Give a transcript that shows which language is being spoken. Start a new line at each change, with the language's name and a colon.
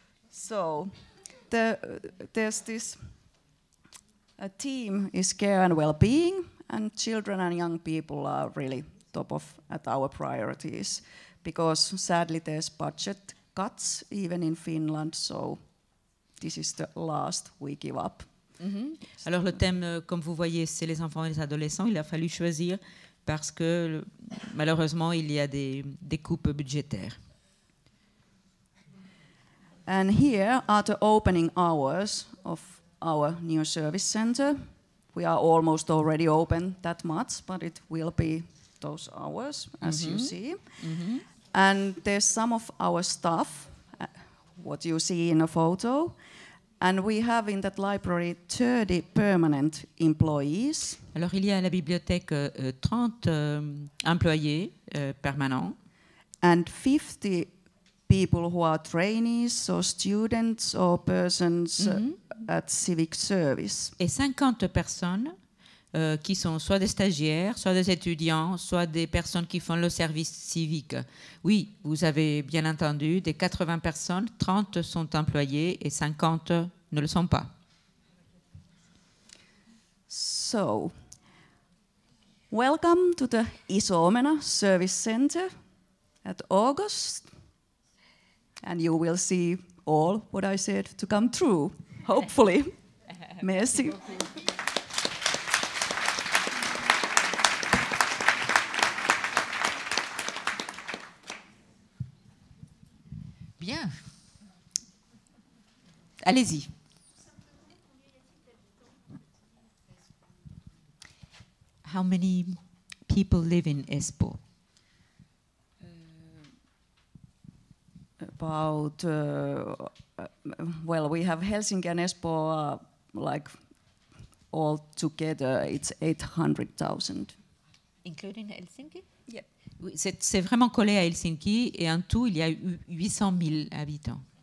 English: So, there's this a team is care and well-being, and children and young people are really top of at our priorities, because sadly there's budget cuts even in Finland, so this is the last we give up. Mm-hmm.
French: Alors le thème, comme vous voyez, c'est les enfants et les adolescents. Il a fallu choisir parce que malheureusement il y a des coupes budgétaires.
English: And here are the opening hours of our new service center. We are almost already open that much, but it will be those hours, as mm-hmm. you see. Mm-hmm. And there's some of our stuff, what you see in a photo. And we have in that library 30 permanent employees.
French: Alors il y a à la bibliothèque 30 employés permanents.
English: And 50 people who are trainees, or students, or persons at civic service.
French: Et 50 personnes qui sont soit des stagiaires, soit des étudiants, soit des personnes qui font le service civique. Oui, vous avez bien entendu, des 80 personnes, 30 sont employées et 50 ne le sont pas.
English: So, welcome to the Isomena Service Center at August. And you will see all what I said to come true, hopefully.
French: Merci. Bien. Allez-y.
English: How many people? people live in Espoo? About well, we have Helsinki and Espoo like all together. It's 800,000, including Helsinki. Yep.
French: Oui, c'est vraiment collé à Helsinki et en tout il y a 800 000 habitants.